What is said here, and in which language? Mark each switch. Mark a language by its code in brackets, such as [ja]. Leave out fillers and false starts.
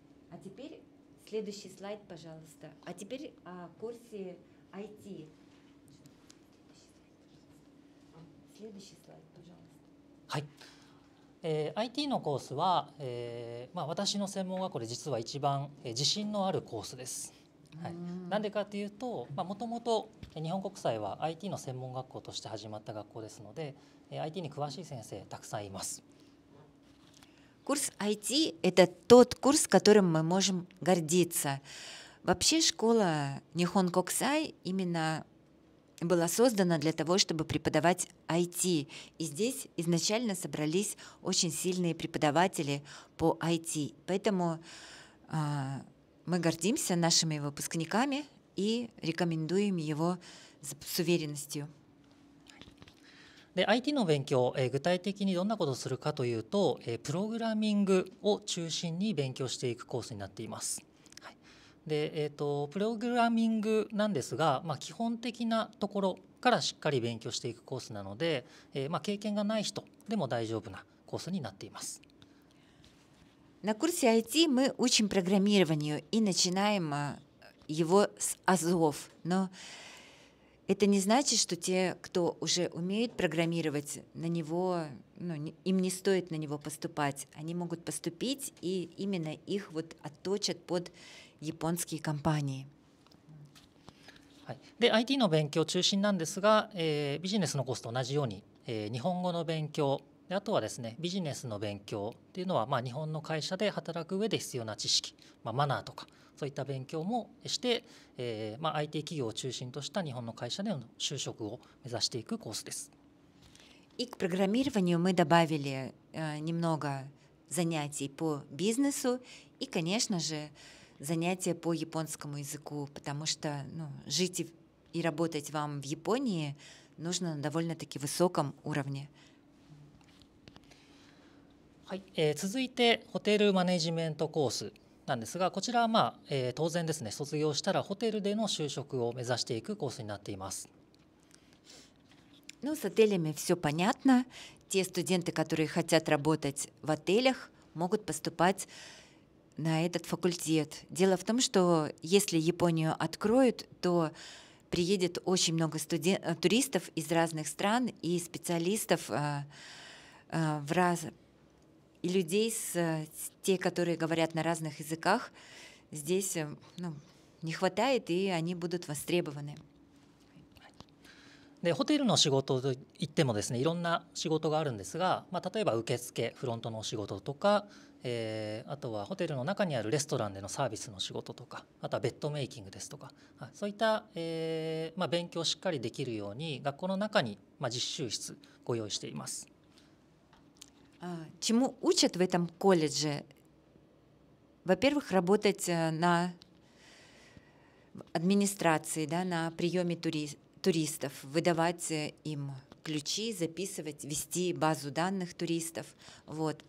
[ru] А теперь следующий слайд, пожалуйста. А теперь о курсе IT. Следующий слайд, пожалуйста. [ja] はい、IT のコースは、まあ、私の専門学校で実は一番、自信のあるコースです、はい、なんでかというと、まあ、もともと日本国際は IT の専門学校として始まった学校ですので、IT に詳しい先生たくさんいます。 [ru] コース IT это тот курс, которым мы можем гордиться. Вообще школа Nihon Kokusai именноBыла создана для того, чтобы преподавать IT. И здесь изначально собрались очень сильные преподаватели по IT. Поэтому мы гордимся нашими выпускниками и рекомендуем его с уверенностью. [ja] IT の勉強、具体的にどんなことをするかというと、プログラミングを中心に勉強していくコースになっています。でプログラミングなんですが、まあ、基本的なところからしっかり勉強していくコースなので、まあ、経験がない人でも大丈夫なコースになっています。 [ru] На курсе IT мы учим программированию и начинаем его с азов. Но это не значит, что те, кто уже умеют программировать, на него, ну, им не стоит на него поступать. Они могут поступить, и именно их вот отточат под японские компании. [ja] はい、で IT の勉強中心なんですが、ビジネスのコースと同じように、日本語の勉強であとはですね、ビジネスの勉強っていうのは、まあ、日本の会社で働く上で必要な知識、まあ、マナーとかそういった勉強もして、まあ、IT 企業を中心とした日本の会社での就職を目指していくコースです。 [ru] И к программированию мы добавили немного занятий по бизнесу и, конечно же,занятия по японскому языку, потому что, ну, жить и работать вам в Японии нужно на довольно-таки высоком уровне. [ja] はい、続いてホテルマネジメントコースなんですが、こちらはまあ、当然ですね、卒業したらホテルでの就職を目指していくコースになっています。 [ru] Ну, с отелями все понятно. Те студенты, которые хотят работать в отелях, могут поступать на этот факультет. Дело в том, что если Японию откроют, то приедет очень много туристов из разных стран и специалистов в раз и людей с те, которые говорят на разных языках, здесь, ну, не хватает, и они будут востребованы. [ja] でホテルの仕事といってもですね、いろんな仕事があるんですが、まあ、例えば受付フロントのお仕事とか、あとはホテルの中にあるレストランでのサービスの仕事とか、あとはベッドメイキングですとか、そういった、まあ、勉強をしっかりできるように学校の中に、まあ、実習室ご用意しています。 [ru] чему учат в этом колледже? Во-первых, работать на администрации, да, на приеме туристов, выдавать им ключи, записывать, вести базу данных туристов. Вот.